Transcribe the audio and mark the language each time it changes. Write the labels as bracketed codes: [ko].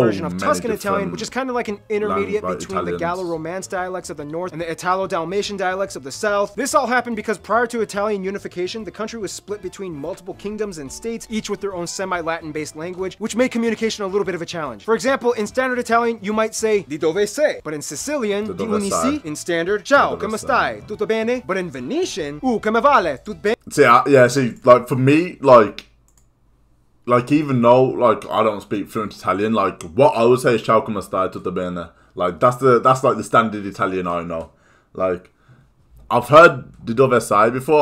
[en] version of Tuscan Italian, which is kind of like an intermediate between Italians. The Gallo-Romance dialects of the north and the Italo-Dalmatian dialects of the south. This all happened because prior to Italian unification, the country was split between multiple kingdoms and states, each with their own semi-Latin-based language, which made communication a little bit of a challenge. For example, in standard Italian, you might say, [it] di dove sei? [en] But in Sicilian, [it] di unisi? [en] In standard, [it] ciao, come stai? Tutto bene? [en] But in Venetian, [it] come vale? Tutto bene? [en] See, for me, like, even though, like, I don't speak fluent Italian, like, what I would say is [it] ciao, come stai? Tutto bene? [en] Like, that's, like, the standard Italian I know. Like, I've heard [it] di dove sei [en] before.